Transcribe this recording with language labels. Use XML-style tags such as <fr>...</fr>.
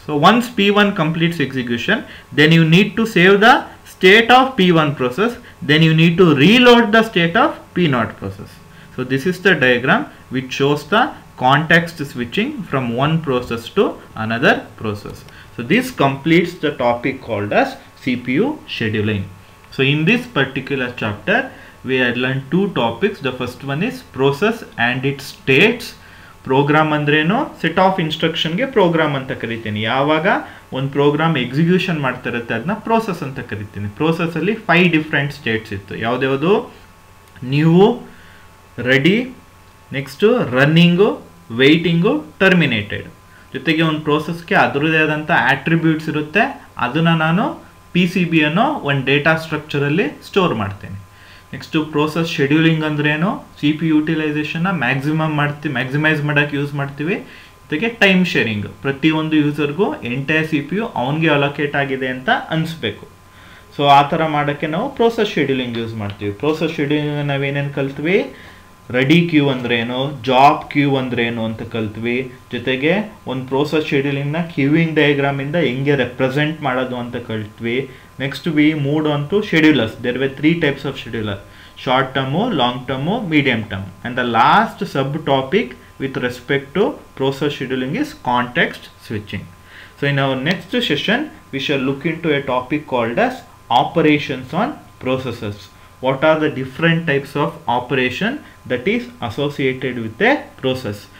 <en>So once P one completes execution then you need to save the state of P one process then you need to reload the state of P naught process. So this is the diagram which shows the context switching from one process to another process. So this completes the topic called as C P U scheduling. So in this particular chapter we had learned two topics. The first one is process and its states.</en> <kn>Program andre</kn> <en>no set of instruction</en> <kn>ge program anta karitini. Yavaga one program execution martirutte adna process anta karitini. Process alli 5 different states ittu. Yavadevadu new, ready, next running, waiting, terminated. ಜೊತೆಗೆ ಒಂದು ಪ್ರೋಸೆಸ್ಗೆ ಅದರದೇ ಆದಂಥ attributes ಇರುತ್ತೆ, ಅದನ್ನು ನಾನು P C B ಅನ್ನೋ ಒಂದು data ಸ್ಟ್ರಕ್ಚರಲ್ಲಿ store ಮಾಡ್ತೇನೆ. ನೆಕ್ಸ್ಟು ಪ್ರೋಸೆಸ್ ಶೆಡ್ಯೂಲಿಂಗ್ ಅಂದ್ರೇನು, ಸಿ ಪಿ ಯುಟಿಲೈಸೇಷನ್ನ ಮ್ಯಾಕ್ಸಿಮೈಸ್ ಮಾಡೋಕ್ಕೆ ಯೂಸ್ ಮಾಡ್ತೀವಿ. ಜೊತೆಗೆ ಟೈಮ್ ಶೇರಿಂಗ್, ಪ್ರತಿಯೊಂದು ಯೂಸರ್ಗೂ ಎಂಟೈರ್ ಸಿ ಪಿ ಯು ಅವನಿಗೆ ಅಲೋಕೇಟ್ ಆಗಿದೆ ಅಂತ ಅನಿಸ್ಬೇಕು. ಸೊ ಆ ಥರ ಮಾಡೋಕ್ಕೆ ನಾವು ಪ್ರೋಸೆಸ್ ಶೆಡ್ಯೂಲಿಂಗ್ ಯೂಸ್ ಮಾಡ್ತೀವಿ. ಪ್ರೋಸೆಸ್ ಶೆಡ್ಯೂಲಿಂಗ್ ನಾವೇನೇನು ಕಲ್ತ್ವಿ, ರೆಡಿ ಕ್ಯೂ ಅಂದ್ರೇನು, ಜಾಬ್ ಕ್ಯೂ ಅಂದ್ರೇನು ಅಂತ ಕಲ್ತ್ವಿ. ಜೊತೆಗೆ ಒಂದು ಪ್ರೋಸೆಸ್ ಶೆಡ್ಯೂಲಿಂಗ್ನ ಕ್ಯೂವಿಂಗ್ ಡಯಾಗ್ರಾಮಿಂದ ಹೆಂಗೆ ರೆಪ್ರೆಸೆಂಟ್ ಮಾಡೋದು ಅಂತ ಕಲ್ತ್ವಿ.</kn> <en>Next we move on to schedulers. There were 3 types of scheduler, short term, long term, medium term. And the last sub topic with respect to process scheduling is context switching. So in our next session we shall look into a topic called as operations on processes. What are the different types of operation that is associated with a process?</en>